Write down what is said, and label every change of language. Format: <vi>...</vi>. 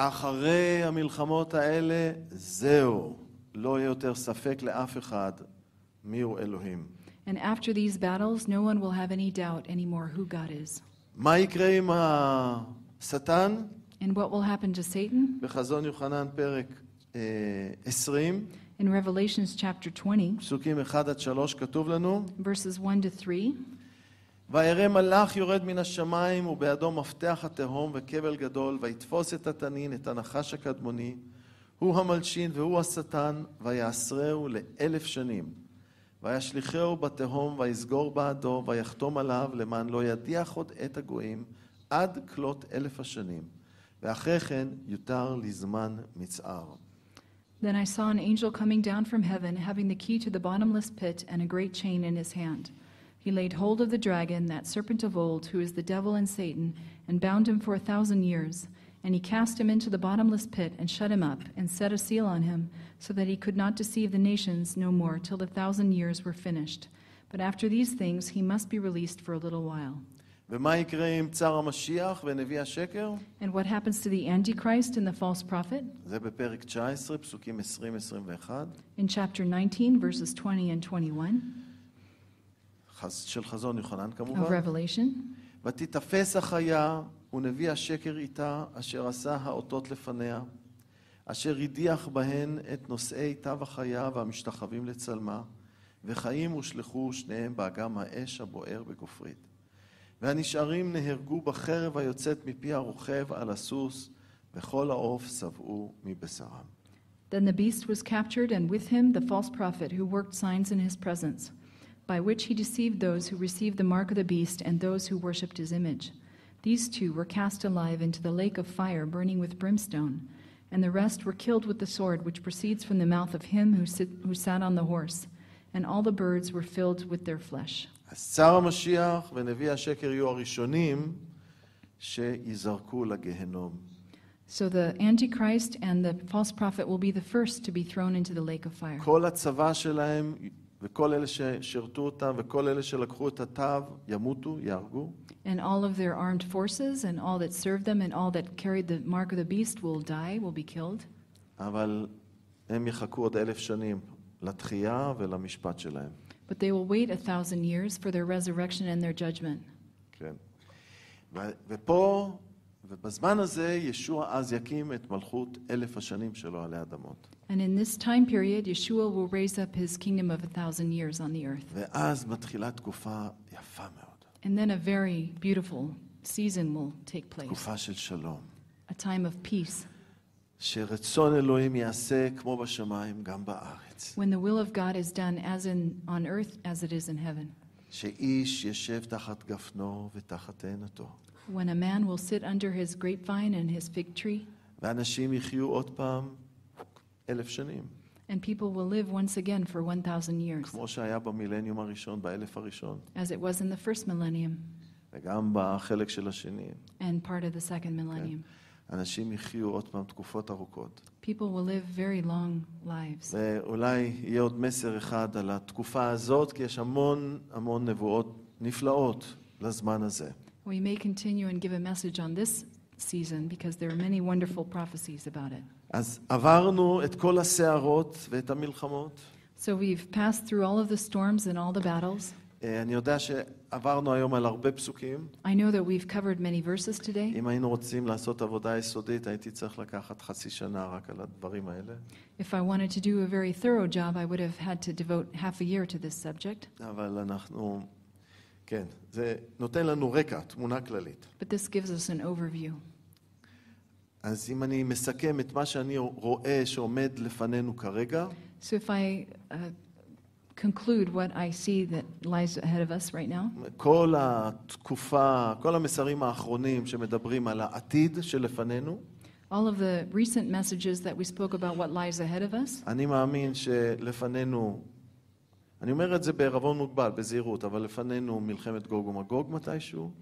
<he>אחרי המלחמות האלה, זהו, לא יהיה יותר ספק לאף אחד מי הוא אלוהים.</he> <en>And after these battles, no one will have any doubt anymore who God is.</en> <he>מה יקרה עם השטן?</he> <en>And what will happen to Satan?</en> <he>בחזון יוחנן פרק 20.</he> <en>In Revelation chapter 20.</en> <he>פסוקים 1 עד 3 כתוב לנו.</he> <en>Verses 1 to 3.</en> <he>וירא מלאך יורד מן השמיים ובידו מפתח התהום וכבל גדול ויתפוס את התנין את הנחש הקדמוני הוא המלשין והוא השטן ויעשרהו לאלף שנים. וישליחהו בתהום ויסגור בעדו ויחתום עליו למען לא ידיח עוד את הגויים עד כלות אלף השנים. ואחרי כן יותר לזמן מצער.</he> <en>Then I saw an angel coming down from heaven, having the key to the bottomless pit and a great chain in his hand. He laid hold of the dragon, that serpent of old, who is the devil and Satan, and bound him for 1,000 years. And he cast him into the bottomless pit and shut him up and set a seal on him, so that he could not deceive the nations no more till 1,000 years were finished. But after these things, he must be released for a little while.</en> <he>ומה יקרה עם צר המשיח ונביא השקר?</he> <en>And what happens to the Antichrist and the false prophet?</en> <he>זה בפרק 19, פסוקים 20-21.</he> <en>In chapter 19, verses 20 and 21.</en> <he>של חזון יוחנן כמובן.</he> <en>Of Revelation.</en> <he>ותתפס החיה ונביא השקר איתה אשר עשה האותות לפניה, אשר הדיח בהן את נושאי תו החיה והמשתחווים לצלמה, וחיים הושלכו שניהם באגם האש הבוער בגופרית. והנשארים נהרגו בחרב היוצאת מפי הרוכב על הסוס, וכל העוף סבעו מבשרם.</he> <en>Then the beast was captured, and with him the false prophet who worked signs in his presence, by which he deceived those who received the mark of the beast and those who worshipped his image. These two were cast alive into the lake of fire burning with brimstone, and the rest were killed with the sword which proceeds from the mouth of him who sat on the horse, and all the birds were filled with their flesh.</en> <he>השר המשיח ונביא השקר יהיו הראשונים שיזרקו לגהנום.</he> <en>So the Antichrist and the false prophet will be the first to be thrown into the lake of fire.</en> <he>כל הצבא שלהם וכל אלה ששרתו אותם וכל אלה שלקחו את התו ימותו, יהרגו.</he> <en>And all of their armed forces and all that served them and all that carried the mark of the beast will die, will be killed.</en> <he>אבל הם יחכו עוד 1,000 שנים לתחייה ולמשפט שלהם.</he> <en>But they will wait 1,000 years for their resurrection and their judgment.</en> <he>כן. ופה, ובזמן הזה, ישוע אז יקים את מלכות 1,000 השנים שלו עלי אדמות.</he> <en>And in this time period, Yeshua will raise up his kingdom of 1,000 years on the earth.</en> <he>ואז מתחילה תקופה יפה מאוד.</he> <en>And then a very beautiful season will take place.</en> <he>תקופה של שלום.</he> <en>A time of peace.</en> <he>שרצון אלוהים יעשה כמו בשמיים גם בארץ.</he> <en>When the will of God is done as in on earth as it is in heaven.</en> <he>שאיש ישב תחת גפנו ותחת תאנתו.</he> <en>When a man will sit under his grapevine and his fig tree.</en> <he>ואנשים יחיו עוד פעם 1,000 שנים.</he> <en>And people will live once again for 1,000 years.</en> <he>כמו שהיה במילניום הראשון, באלף הראשון.</he> <en>As it was in the first millennium.</en> <he>וגם בחלק של השני.</he> <en>And part of the second millennium. כן.</en> <he>אנשים יחיו עוד פעם תקופות ארוכות.</he> <en>People will live very long lives.</en> <he>ואולי יהיה עוד מסר אחד על התקופה הזאת, כי יש המון המון נבואות נפלאות לזמן הזה.</he> <en>We may continue and give a message on this season because there are many wonderful prophecies about it.</en> <he>אז עברנו את כל הסערות ואת המלחמות.</he> <en>So we've passed through all of the storms and all the battles.</en> <he>אני יודע שעברנו היום על הרבה פסוקים.</he> <en>I know that we've covered many verses today.</en> <he>אם היינו רוצים לעשות עבודה יסודית, הייתי צריך לקחת חצי שנה רק על הדברים האלה.</he> <en>If I wanted to do a very thorough job, I would have had to devote half a year to this subject.</en> <he>אבל אנחנו, כן, זה נותן לנו רקע, תמונה כללית.</he> <en>But this gives us an overview.</en> <he>אז אם אני מסכם את מה שאני רואה שעומד לפנינו כרגע,</he> <en>So if I conclude what I see that lies ahead of us right now.</en> <he>כל התקופה, כל המסרים האחרונים שמדברים על העתיד שלפנינו.</he> <en>All of the recent messages that we spoke about what lies ahead of us.</en> <he>אני מאמין שלפנינו, אני אומר את זה בערבון מוגבל, בזהירות, אבל לפנינו מלחמת גוג ומגוג מתישהו.</he>